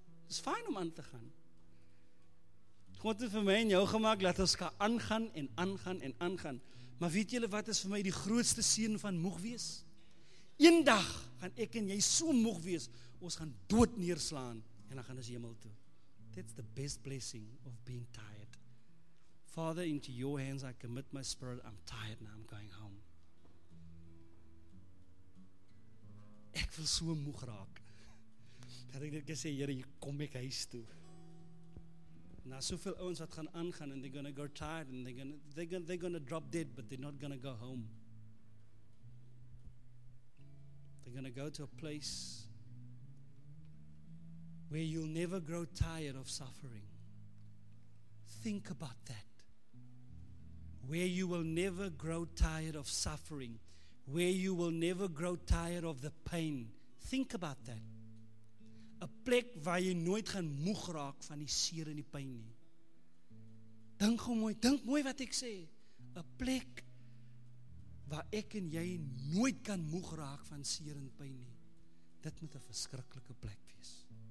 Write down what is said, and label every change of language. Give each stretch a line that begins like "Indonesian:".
Afrikaans: Dit is fijn om aan te gaan. God het vir my en jou gemaakt, laat ons kan aangaan en aangaan en aangaan. Maar weet julle wat is vir my die grootste seën van moeg wees? Een dag gaan ek en jy so moeg wees, ons gaan dood neerslaan, en dan gaan ons hemel toe.
English: That's the best blessing of being tired. Father, into your hands I commit my spirit. I'm tired now. I'm going home.
Afrikaans: Ek wil so moeg raak. Dat ek net gesê, Here, hier kom ek huis toe. Na soveel ouens wat gaan aangaan
English: and they're going to go tired and they're going to drop dead, but they're not going to go home. They're going to go to a place where you'll never grow tired of suffering. Think about that. Where you will never grow tired of suffering. Where you will never grow tired of the pain. Think about that.
Afrikaans: A plek waar jy nooit gaan moeg raak van die seer en die pijn nie. Dink mooi wat ek sê. A plek waar ek en jy nooit kan moeg raak van seer en pijn nie. Dit moet 'n verskriklike plek wees.